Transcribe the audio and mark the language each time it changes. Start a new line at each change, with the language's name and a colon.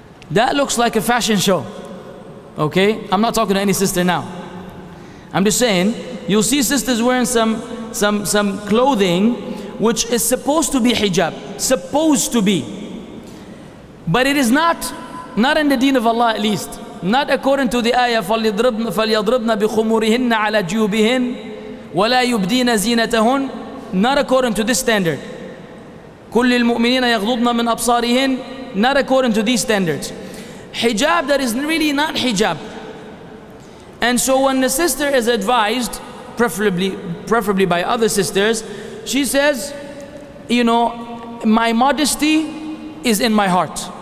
English: That looks like a fashion show. Okay, I'm not talking to any sister now. I'm just saying, you'll see sisters wearing some clothing which is supposed to be hijab, supposed to be. But it is not in the deen of Allah, at least. Not according to the ayah,
Arabic: فَلْيَضْرِبْنَ بِخُمُورِهِنَّ عَلَى جُيُوبِهِنَّ وَلَا يُبْدِينَ زِينَتَهُنَّ.
English: Not according to this standard.
Arabic: كُلِّ الْمُؤْمِنِينَ يَغْضُضْنَ مِنْ أَبْصَارِهِنَّ.
English: Not according to these standards. Hijab that is really not hijab. And so when the sister is advised, preferably by other sisters, she says, you know, my modesty is in my heart.